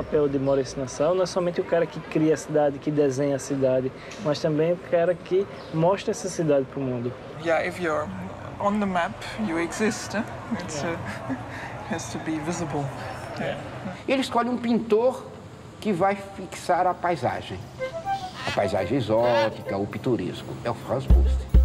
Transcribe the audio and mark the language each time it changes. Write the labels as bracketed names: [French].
[Portuguese] De Maurice Nassau não é somente o cara que cria a cidade, que desenha a cidade, mas também o cara que mostra essa cidade para o mundo. [English] Yeah, if you're on the map, you exist. It's yeah. Has to be visible. Yeah. [Portuguese] Ele escolhe um pintor que vai fixar a paisagem exótica, o pitoresco. É o Franz Post.